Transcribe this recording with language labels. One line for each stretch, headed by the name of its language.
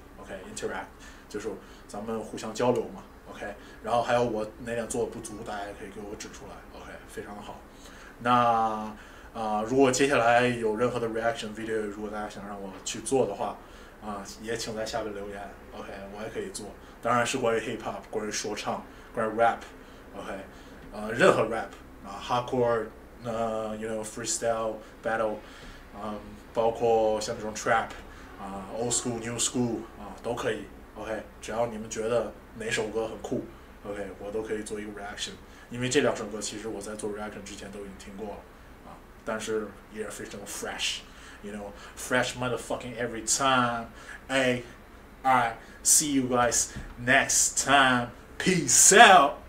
Chinese: OK， interact 就是咱们互相交流嘛。OK， 然后还有我哪点做的不足，大家也可以给我指出来。OK， 非常的好。那如果接下来有任何的 reaction video， 如果大家想让我去做的话也请在下面留言。 OK， 我也可以做，当然是关于 hip hop， 关于说唱，关于 rap。 OK， 任何 rap hardcore you know freestyle battle包括像这种 trap old school new school 都可以。 OK， 只要你们觉得哪首歌很酷， OK， 我都可以做一个 reaction。因为这两首歌其实我在做 reaction 之前都已经听过了但是也非常 fresh， you know，
English: fresh motherfucking every time。 Hey， I see you guys next time. Peace out.